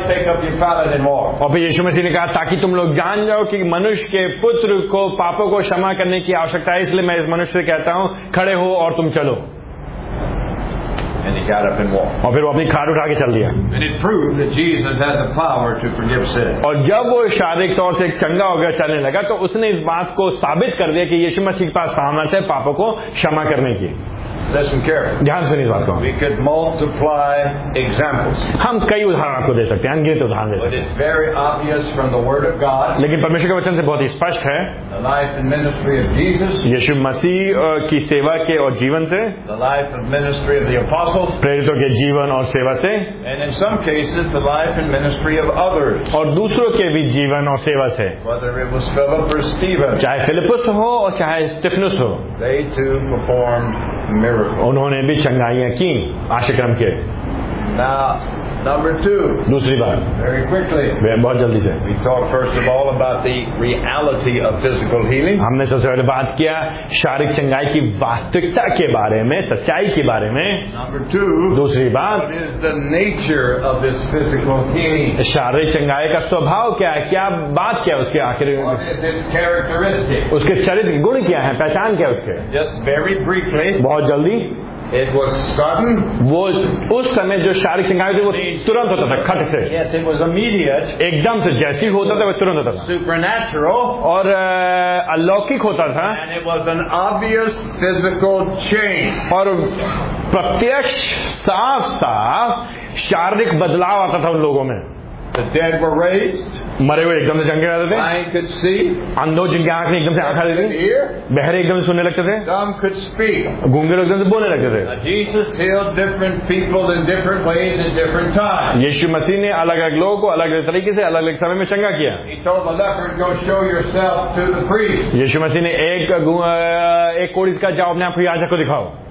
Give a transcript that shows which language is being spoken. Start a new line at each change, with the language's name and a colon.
Hindi: और फिर यीशु मसीह ने कहा, ताकि तुम लोग जान जाओ कि मनुष्य के पुत्र को पापों को क्षमा करने की आवश्यकता है, इसलिए मैं इस मनुष्य से कहता हूँ खड़े हो और तुम चलो।
English: And he got up and walked.
Hindi: और फिर वो अपनी खाट उठा के चल दिया।
English: And it proved that Jesus had the power to forgive sin.
Hindi: और जब वो शारीरिक तौर से चंगा हो गया, चलने लगा, तो उसने इस बात को साबित कर दिया कि यीशु मसीह के पास सामर्थ्य है पापों को क्षमा करने की।
English: Listen carefully.
Hindi: ध्यान से इस बात को।
English: We could multiply examples.
Hindi: हम कई उदाहरण आपको दे सकते हैं, अनगिनत उदाहरण दे सकते हैं।
English: But it's very obvious from the Word of God.
Hindi: लेकिन परमेश्वर के वचन से बहुत ही स्पष्ट है।
English: The life and ministry of Jesus.
Hindi: यीशु मसीह की सेवा के और जीवन से।
English: The life and ministry of the apostles.
Hindi: प्रेरितों के जीवन और सेवा से।
English: And in some cases, the life and ministry of others.
Hindi: और दूसरों के भी जीवन और सेवा से।
English: Whether it was Philip or Stephen.
Hindi: चाहे फिलिपुस हो और चाहे स्टेफनुस हो।
English: They too performed.
Hindi: उन्होंने भी चंगाइयां की आशक्रम के।
English: Now, number two,
Hindi: दूसरी बात,
English: very quickly,
Hindi: बहुत जल्दी से,
English: we talk first of all about the reality of physical healing.
Hindi: हमने सबसे पहले बात किया शारीरिक चंगाई की वास्तविकता के बारे में, सच्चाई के बारे में।
English: Number two,
Hindi: दूसरी बात,
English: what is the nature of this physical healing?
Hindi: शारीरिक चंगाई का स्वभाव क्या है, क्या बात क्या है उसके आखिर, उसके चरित्र गुण क्या है, पहचान क्या है उसके?
English: Just very briefly,
Hindi: बहुत जल्दी,
English: it was sudden,
Hindi: वो उस समय जो शारीरिक चंगाई थी वो तुरंत होता था, खट से,
English: yes, it was immediate,
Hindi: एकदम से जैसी होता था वो तुरंत होता था,
English: supernatural,
Hindi: और अलौकिक होता था,
English: and it was an obvious physical change,
Hindi: और प्रत्यक्ष साफ साफ शारीरिक बदलाव आता था उन लोगों में।
English: The dead were raised.
Hindi: मरे हुए एकदम से चंगे रहते थे।
English: Blind could see.
Hindi: अंधों जिनके आंख ने एकदम से आंखा देते। बहरे एकदम से सुनने लगते थे।
English: Dumb could speak.
Hindi: गूंगे लोग एकदम से बोलने लगते थे।
English: Jesus healed different people in different ways at different times.
Hindi: यीशु मसीह ने अलग अलग लोगों को अलग अलग तरीके से अलग अलग समय में चंगा किया।
English: He told the leper, "Go show yourself to the priest."
Hindi: यीशु मसीह ने एक कोढ़ी का जाओ अपने आप को याजक को दिखाओ।